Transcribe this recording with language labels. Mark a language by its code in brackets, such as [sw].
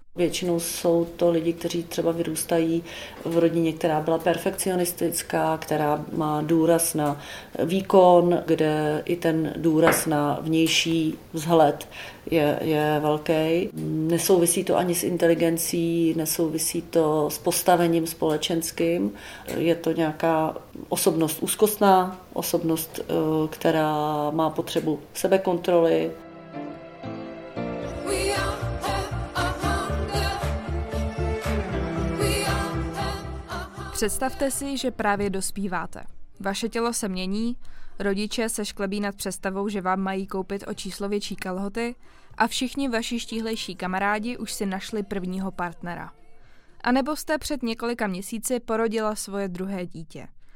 [cs] Většinou jsou to lidi, kteří třeba vyrůstají v rodině, která byla perfekcionistická, která má důraz na výkon, kde i ten důraz na vnější vzhled je velký. Nesouvisí to ani s inteligencí, nesouvisí to s postavením společenským. Je to nějaká osobnost úzkostná, osobnost, která má potřebu sebekontroly. [en] We all have a hunger. We all. [cs] Představte si, že právě dospíváte. Vaše tělo se mění, rodiče se šklebí nad představou, že vám mají koupit o číslo větší kalhoty a všichni vaši štíhlejší kamarádi už si našli prvního partnera. A nebo jste před několika měsíci porodila svoje druhé dítě.